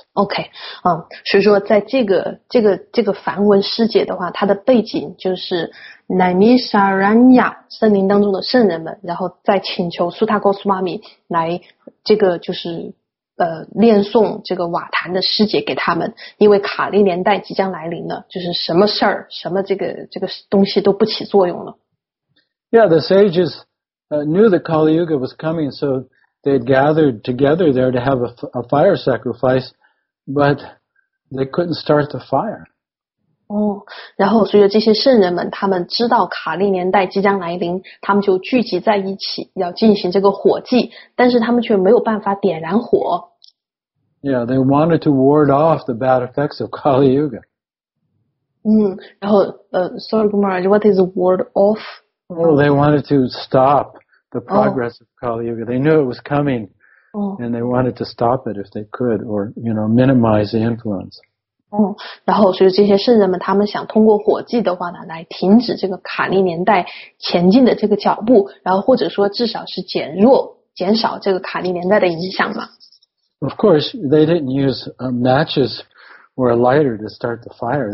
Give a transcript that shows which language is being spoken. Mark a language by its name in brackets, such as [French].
[Chinese] Okay. 所以说在这个梵文诗节的话它的背景就是 Namisharanya 森林当中的圣人们然后再请求 Sutta Goswami 来这个就是念诵这个瓦坛的诗节给他们因为卡利年代即将来临了就是什么事儿什么这个东西都不起作用了。 [English] Yeah, the sages knew that Kali Yuga was coming, so they had gathered together there to have a fire sacrifice, but they couldn't start the fire. [Chinese] 然后所以这些圣人们他们知道卡利年代即将来临他们就聚集在一起要进行这个火祭但是他们却没有办法点燃火。 [English] Yeah, they wanted to ward off the bad effects of Kali Yuga. 然后sorry, Gumar, what is ward off? Well, they wanted to stop the progress of Kali Yuga. They knew it was coming, and they wanted to stop it if they could, or, you know, minimize the influence. [Chinese] 然后所以这些圣人们他们想通过火祭的话呢来停止这个卡利年代前进的这个脚步然后或者说至少是减弱减少这个卡利年代的影响吗 [English] ？Of course, they didn't use matches or a lighter to start the fire.